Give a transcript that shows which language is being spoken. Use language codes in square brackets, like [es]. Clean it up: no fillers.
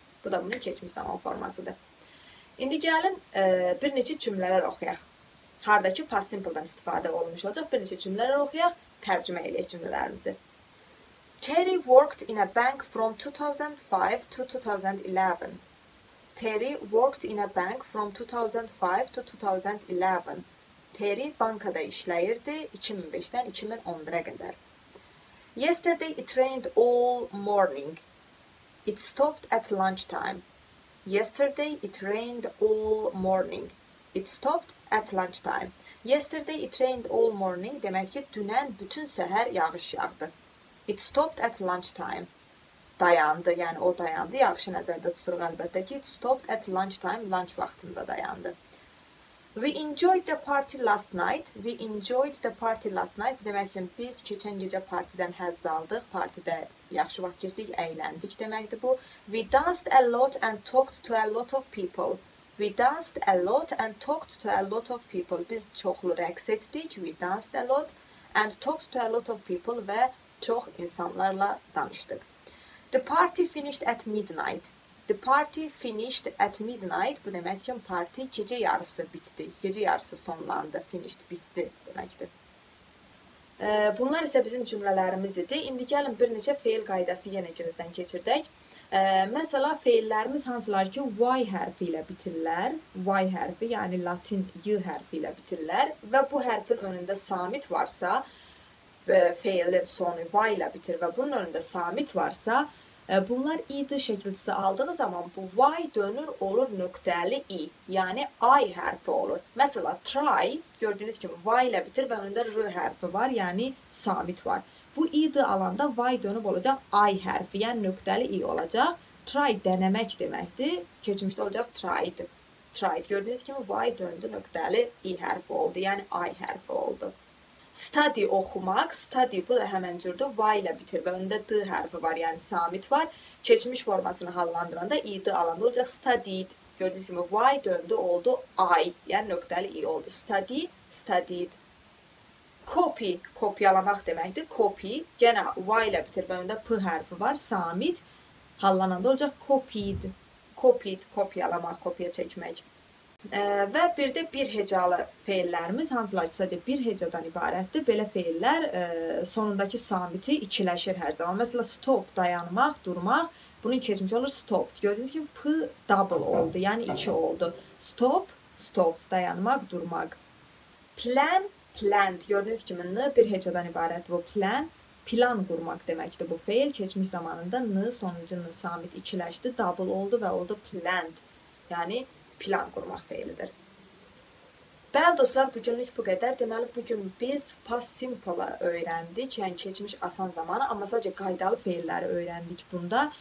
[az] Bu da bunun keçmiş zaman formasıdır. İndi gəlin, bir neçə cümlələr oxuyaq. Harada ki, past simple-dan istifadə olmuş olacaq, bir neçə cümlələr oxuyaq, tərcümə eləyək cümlələrimizi. [en] Terry worked in a bank from 2005 to 2011. Terry worked in a bank from 2005 to 2011. [az] Terry bankada işləyirdi 2005-dən 2011-ə qədər. [en] Yesterday it rained all morning. It stopped at lunchtime. Yesterday it rained all morning. It stopped at lunchtime. Yesterday it rained all morning. [az] Demək ki, dünən bütün səhər yağış yağdı. [en] It stopped at lunchtime. [az] dayandı. Yani o dayandı. Yaxşı nəzərdə tuturuq əlbəttə ki, [en] it stopped at lunch time. [az] Lunch vaxtında dayandı. [en] We enjoyed the party last night. We enjoyed the party last night. [az] Demək ki, biz keçən gecə partidən həzz aldıq. Partidə yaxşı vaxt keçdik, əyləndik deməkdir bu. [en] We danced a lot and talked to a lot of people. We danced a lot and talked to a lot of people. [az] Biz çoxlu rəqs etdik. [en] We danced a lot and talked to a lot of people. [az] Və çox insanlarla danışdıq. [en] The party finished at midnight. The party finished at midnight. [az] Bu demək ki, party gecə yarısı bitdi. Gecə yarısı sonlandı. Finished bitdi deməkdir. Bunlar isə bizim cümlələrimiz idi. İndi gəlin bir neçə fail qaydası yenə gözdən keçirdək. Məsələn, feillərimiz hansılar ki, Y hərfi ilə bitirlər. Y hərfi, yəni latin Y hərfi ilə bitirlər. Və bu hərfin önündə samit varsa, feilin sonu Y ilə bitir və bunun önündə samit varsa, bunlar id şəkilçisi aldığı zaman bu Y dönür, olur nöqtəli i, yəni I hərfi olur. Məsələn, try, gördüyünüz kimi Y ilə bitir və önündə R hərfi var, yəni samit var. Bu id alanda y dönüb olacaq i hərfi, yəni nöqtəli i olacaq. Try denemek deməkdir. Keçmişdə olacaq tried. Tried gördüyünüz kimi y döndü, nöqtəli i hərfi oldu, yəni i hərfi oldu. Study oxumaq, study bu da həmən cürdə y ilə bitir və öndə d hərfi var, yəni samit var. Keçmiş formasını hallandıranda id alanda olacaq studied. Gördüyünüz kimi y döndü, oldu i, yəni nöqtəli i oldu. Study, studied. Copy, kopyalamaq deməkdir. Copy, yenə Y ilə bitir və öndə P hərfi var. Samit, hallananda olacaq copied. Copied, kopyalamaq, kopya çəkmək. Və bir də bir hecalı feillərimiz, hansılar ki, sadəcə bir hecadan ibarətdir. Belə feillər sonundakı samiti ikiləşir hər zaman. Məsələn, stop, dayanmaq, durmaq. Bunun keçmişi olur stop. Gördüyünüz kimi P double oldu, yəni iki oldu. Stop, stop, dayanmaq, durmaq. Plan, planned. Gördüyünüz kimi n bir hecadan ibarət bu plan. Plan qurmaq deməkdir bu fail. Keçmiş zamanında n sonuncu n samit ikiləşdi, double oldu və oldu planned. Yəni plan qurmaq feilidir. Bəli dostlar, bugünlük bu qədər. Deməli, bugün biz past simple-ı öyrəndik. Yəni keçmiş asan zamanı, amma sadəcə qaydalı feilləri öyrəndik bunda.